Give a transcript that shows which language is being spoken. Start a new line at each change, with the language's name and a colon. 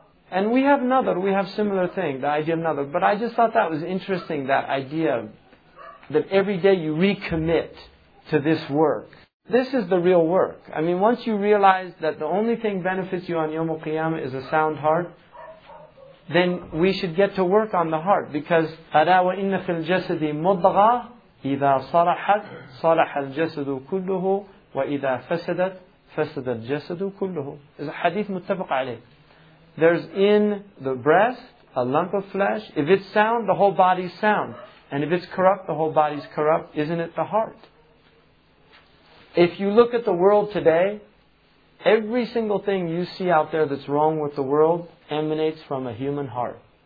English: And we have nadar, we have similar thing, the idea of nadar. But I just thought that was interesting, that idea that every day you recommit to this work. This is the real work. I mean, once you realize that the only thing benefits you on Yawm al-Qiyamah is a sound heart, then we should get to work on the heart. Because
Arabic: أَلَا وَإِنَّ فِي الْجَسَدِ مُضْغَةً إِذَا صَلَحَتْ صَلَحَ الْجَسَدُ كُلُّهُ وَإِذَا فَسَدَتْ فَسَدَ الْجَسَدُ كُلُّهُ.
English: It's a hadith muttafaq alayh. There's in the breast a lump of flesh. If it's sound, the whole body's sound. And if it's corrupt, the whole body's corrupt. Isn't it the heart? If you look at the world today, every single thing you see out there that's wrong with the world emanates from a human heart.